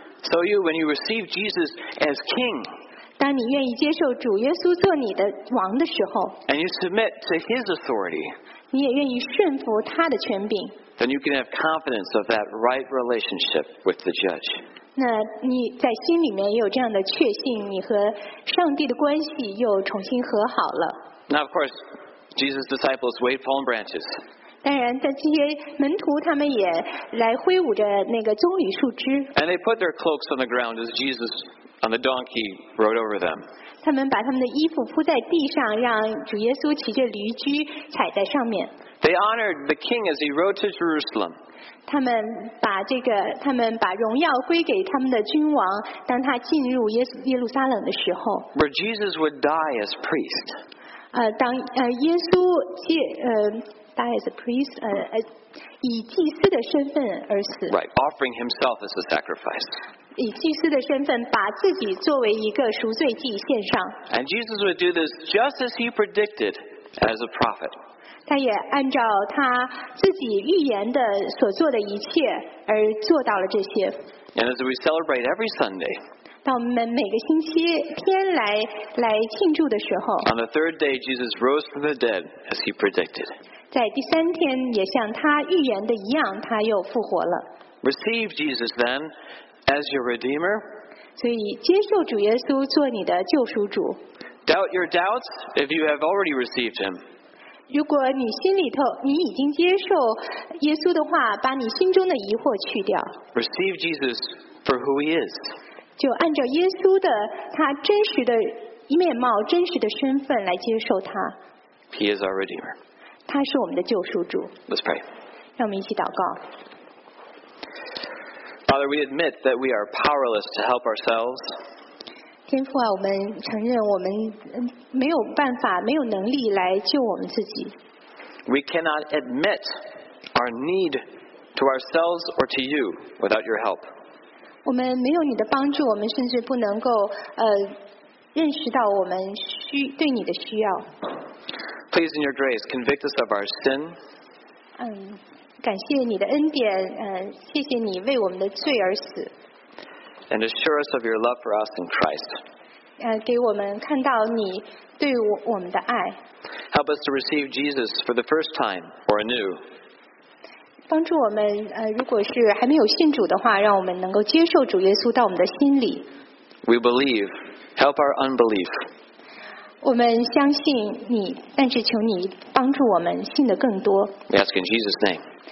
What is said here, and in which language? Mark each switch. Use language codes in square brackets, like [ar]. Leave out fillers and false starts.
[en] So you, when you receive Jesus as king. [zh] 当你愿意接受主耶稣做你的王的时候 [en] and you submit to his authority, [zh] 你也愿意顺服他的权柄 [en] then you can have confidence of that right relationship with the judge. [zh] 那你在心里面也有这样的确信你和上帝的关系又重新和好了 [en] Now of course, Jesus' disciples waved palm branches. [zh] 当然在这些门徒他们也来挥舞着那个棕榈树枝 [en] And they put their cloaks on the ground as JesusOn the donkey rode over them. [zh] 他们把他们的衣服铺在地上，让主耶稣骑着驴驹踩在上面。 [en] They honored the king as he rode to Jerusalem. [zh] 他们把这个，他们把荣耀归给他们的君王，当他进入耶路撒冷的时候。 [en] Where Jesus would die as priest. [zh] 当耶稣 [en] die as a priest, [zh] 以祭司的身份而死。 [en] Right, offering himself as a sacrifice. [zh] 以祭司的身份把自己作为一个赎罪祭献上。 [en] And Jesus would do this just as he predicted as a prophet. [zh] 他也按照他自己预言的所做的一切而做到了这些。 [en] And as we celebrate every Sunday, [zh] 当我们每个星期天来庆祝的时候 [en] On the third day, Jesus rose from the dead as he predicted. [zh] 在第三天也像他预言的一样他又复活了。 [en] Receive Jesus then,As your redeemer, [zh] 所以接受主耶稣做你的救赎主。 [en] Doubt your doubts if you have already received him. [zh] 如果你心里头你已经接受耶稣的话，把你心中的疑惑去掉。 [en] Receive Jesus for who he is. [zh] 就按照耶稣的他真实的面貌、真实的身份来接受他。 [en] He is our redeemer. [zh] 他是我们的救赎主。 [en] Let's pray. [zh] 让我们一起祷告。 [en] Father, we admit that we are powerless to help ourselves. [zh] 天父啊，我们承认我们没有办法，没有能力来救我们自己。 [en] We cannot admit our need to ourselves or to you without your help. [zh] 我们没有你的帮助，我们甚至不能够认识到我们对你的需要。 [en] Please, in your grace, convict us of our sin. [zh] 感谢你的恩典，谢谢你为我们的罪而死。 [en] And assure us of your love for us in Christ. [zh] 给我们看到你对我们的爱。 [en] Help us to receive Jesus for the first time or anew. [zh] 帮助我们，如果是还没有信主的话，让我们能够接受主耶稣到我们的心里。 [en] We believe. Help our unbelief. [zh] 我们相信你，但是求你帮助我们信得更多。 [en] We ask in Jesus' name.